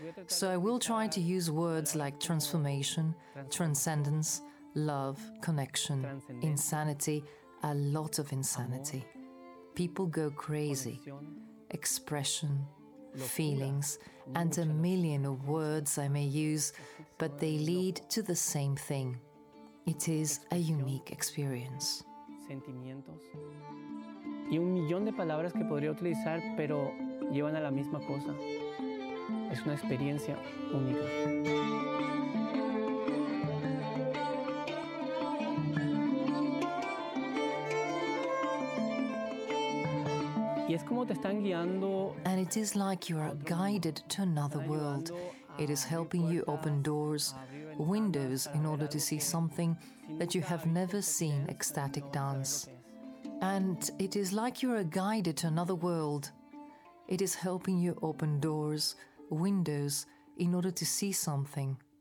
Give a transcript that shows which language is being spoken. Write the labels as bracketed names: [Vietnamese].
[English] So I will try to use words like transformation, transcendence, love, connection, insanity, a lot of insanity. People go crazy. Expression, feelings, and a million of words I may use, but they lead to the same thing. It is a unique experience. [Spanish] Sentimientos y un millón de palabras que podría utilizar, pero llevan a la misma cosa. Es una experiencia única. Y es como te están guiando. [English] And it is like you are guided to another world. It is helping you open doors, windows, in order to see something that you have never seen, ecstatic dance. And it is like you are guided to another world. It is helping you open doors, windows, in order to see something.